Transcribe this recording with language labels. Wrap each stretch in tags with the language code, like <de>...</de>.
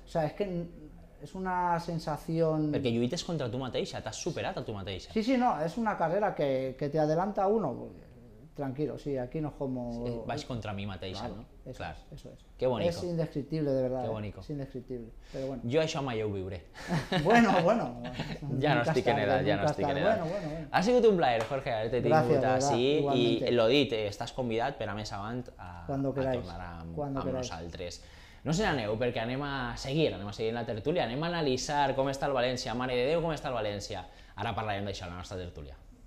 <es>O sea, es que es una sensación...</es> <ca>Perquè lluites contra tu mateixa, t'has superat a tu mateixa.</ca> <es>Sí, sí, no, es una carrera que te adelanta uno. Tranquilo, sí, aquí no es como... Sí,</es> <ca>vaig contra mi mateixa,</ca> <es>claro, no? Eso, claro. Eso es. Qué bonico. Es indescriptible, de verdad. Qué bonico. Es indescriptible. Pero bueno.</es> <ca>Yo això mai ho viuré.</ca> <es>Bueno, bueno.</es> <ca>Ya no estic en edad, ya no estic en edad.</ca> <es>Bueno, bueno, bueno.</es> <ca>Ha sigut un plaer, Jorge, haver-te tingut</ca> <es>así. Gracias, verdad.</es> <ca>Y lo dit, estás convidat per a més avant a tornar amb nosaltres. No se n'aneu, perquè anem a seguir la tertúlia, anem a analitzar com està el València, mare de Déu, com està el València. Ara parlarem d'això, la nostra tertúlia.</ca>